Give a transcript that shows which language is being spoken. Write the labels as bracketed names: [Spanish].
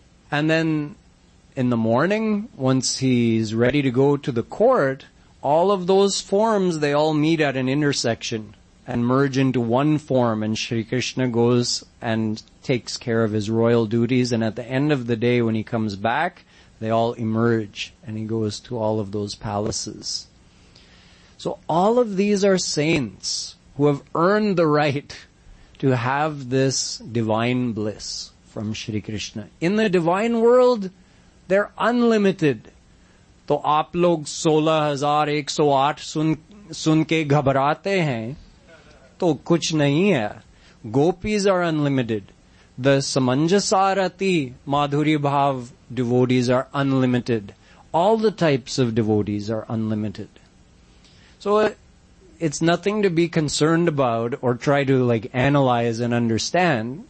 [English] And then in the morning, once he's ready to go to the court, all of those forms, they all meet at an intersection and merge into one form, and Shri Krishna goes and takes care of his royal duties, and at the end of the day when he comes back, they all emerge and he goes to all of those palaces. So all of these are saints who have earned the right to have this divine bliss from Shri Krishna. In the divine world, they're unlimited. [Hindi] तो आप लोग 16108 सुनके घबराते हैं, तो कुछ नहीं है। [English] Gopis are unlimited. The samanjasarati madhuri bhav devotees are unlimited. All the types of devotees are unlimited. So it's nothing to be concerned about or try to like analyze and understand.